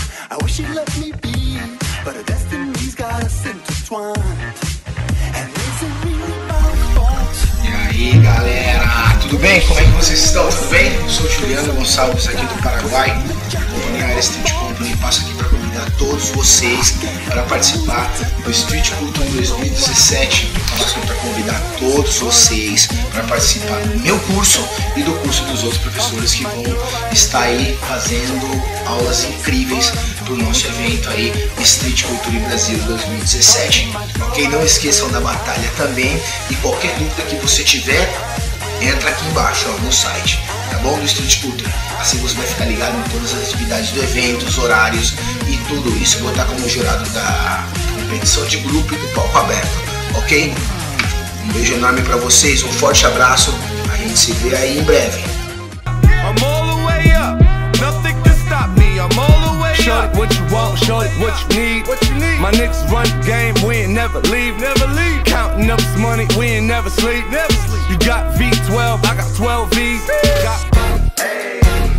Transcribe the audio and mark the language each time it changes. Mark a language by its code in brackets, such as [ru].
[en] I wish she'd let me be, but her destiny's got us intertwined. And it's a really my fault. [pt] E aí, galera, tudo bem? Como é que vocês estão? Tudo bem? Eu sou o Juliano Gonçalves, aqui do Paraguai. Companhia Área Street Company, passo aqui para convidar todos vocês para participar do Street Culture 2017. Passo aqui para convidar todos vocês para participar do meu curso e do curso dos outros professores que vão estar aí fazendo aulas incríveis para o nosso evento aí, Street Culture Brasil 2017. Ok? Não esqueçam da batalha também e qualquer dúvida que você tiver, entra aqui embaixo, ó, no site, tá bom? No Street Culture. Assim você vai ficar ligado em todas as atividades do evento, os horários e tudo isso. Vou estar como jurado da competição de grupo e do palco aberto, ok? Um beijo enorme pra vocês, um forte abraço. A gente se vê aí em breve. [en] I'm all the way up, nothing can stop me. I'm all the way up. Show it what you want, show it what you need. My Knicks run the game, we ain't never leave, never leave. Counting up this money, we ain't never sleep, never sleep. You got V12, I got 12 V's. Got...